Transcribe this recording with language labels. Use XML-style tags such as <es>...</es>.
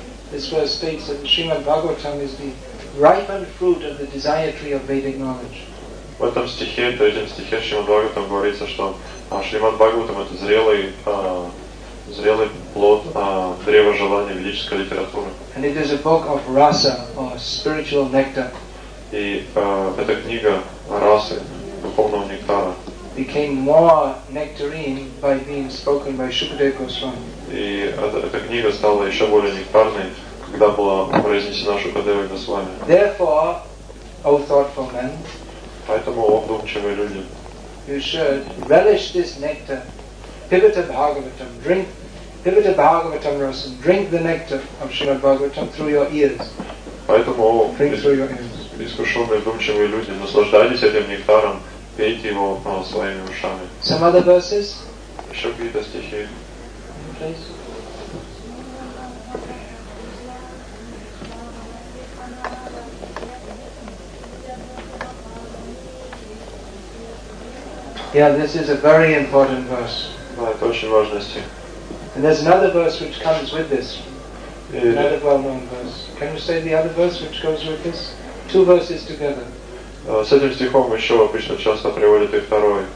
<en>This verse states that Srimad Bhagavatam is the ripened fruit of the desire tree of Vedic knowledge.</en> <ru>В этом стихе, то есть в стихе Шримад Бхагаватам говорится, что Шримад Бхагаватам это зрелый плод древа желания ведической литературы.</ru> <en>And it is a book of rasa, or spiritual nectar.</en> <ru>И эта книга расы, духовного нектара.</ru> <en>Became more nectarine by being spoken by Shukadeva Goswami.</en> <ru>И эта книга стала еще более нектарной, когда была произнесена Шукадевой Госвами.</ru> <en>Therefore, O thoughtful men.</en> <ru>Поэтому, о вдумчивые люди.</ru> <en>You should relish this nectar.</en> <sa>Pivata Bhagavatam,</sa> <en>drink.</en> <sa>Pivata Bhagavatam rasam,</sa> <en>drink the nectar of Srimad Bhagavatam through your ears.</en> <ru>Поэтому, искушенные вдумчивые люди, наслаждайтесь этим нектаром, пейте его своими ушами.</ru> <en>Some other verses?</en> <ru>Еще какие-то стихи.</ru> <en>Please. Yeah, this is a very important verse.</en> <ru>Да, это очень важный стих.</ru> <en>And there's another verse which comes with this. Another well-known verse. Can you say the other verse which goes with this? Two verses together.</en> <ru>С этим стихом еще обычно часто приводят и второй.</ru>